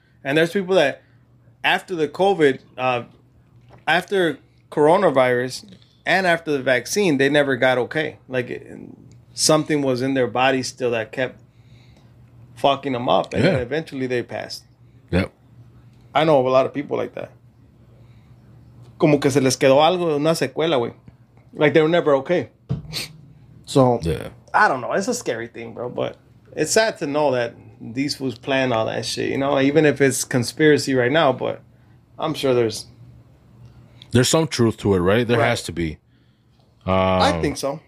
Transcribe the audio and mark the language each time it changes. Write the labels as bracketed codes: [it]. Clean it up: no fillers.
[en] And there's people that after the COVID, after coronavirus and after the vaccine, they never got okay. Like, something was in their body still that kept fucking them up. And yeah, then eventually they passed. Yep. I know of a lot of people like that. [es] Como que se les quedó algo, una secuela, güey. [en] Like, they were never okay. So, yeah. I don't know. It's a scary thing, bro. But it's sad to know that these fools plan all that shit, you know, even if it's conspiracy right now, but I'm sure there's some truth to it, right? There has to be. I think so.